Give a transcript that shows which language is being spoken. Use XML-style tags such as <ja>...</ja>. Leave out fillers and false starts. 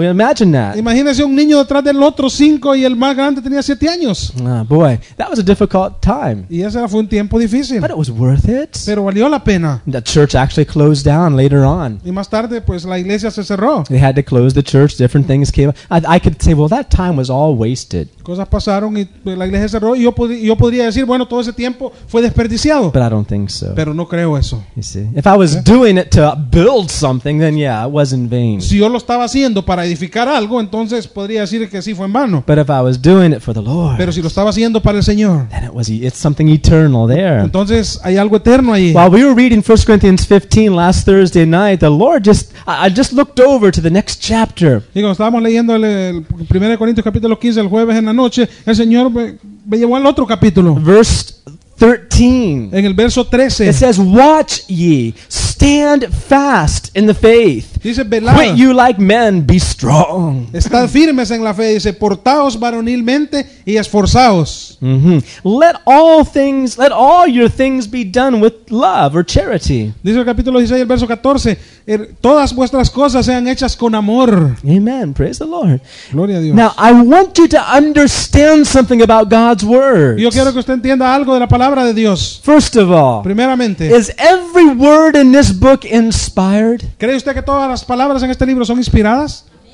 <en>Imagine that.</en> <es>Imagínese un niño detrás del otro 5 y el más grande tenía 7 años.</es> <en>Ah, boy, that was a difficult time.</en> <es>Y ese fue un tiempo difícil.</es> <en>But it was worth it.</en> <es>Pero valió la pena.</es> <en>The church actually closed down later on.</en> <es>Y más tarde, pues, la iglesia se cerró.</es> <en>They had to close the church. Different things came up. I could say, well, that time was all wasted.</en> <es>Cosas pasaron y la iglesia cerró y yo podría decir, bueno, todo ese tiempo fue desperdiciado.</es> <en>But I don't think so.</en> <es>Pero no creo eso.</es> <en>You see, if I was doing it to build something, then yeah, it was in vain.</en> <es>Si yo lo estaba haciendo para edificar algo, entonces podría decir que sí fue en vano.</es> <en>But if I was doing it for the Lord,</en> <es>pero si lo estaba haciendo para el Señor,</es> <en>then it's something eternal there.</en> <es>Entonces hay algo eterno ahí.</es> <en>While we were reading 1 Corinthians 15 last Thursday night, the Lord I just looked over to the next chapter.</en> <es>Y cuando estábamos leyendo el 1 Corintios capítulo 15 el jueves en la noche, el Señor me llevó al otro capítulo.</es> <en>Verse 13. It says, watch ye, stand fast in the faith.</en> <es>Dice, velad.</es> <en>Quit you like men, be strong.</en> <es>Estad firmes en la fe. Dice, portaos varonilmente y esforzaos. Mm-hmm.</es> <en>Let all your things be done with love or charity.</en> <es>Dice el capítulo 16, el verso 14. Todas vuestras cosas sean hechas con amor.</es> <en>Amen. Praise the Lord.</en> <es>Gloria a Dios.</es> <en>Now, I want you to understand something about God's word.</en> <es>Yo quiero que usted entienda algo de la palabra. De Dios.</es> <en>First of all,</en> <es>primeramente,</es> <en>is every word in this book inspired?</en> <es>¿Cree usted que todas las palabras en este libro son inspiradas?</es>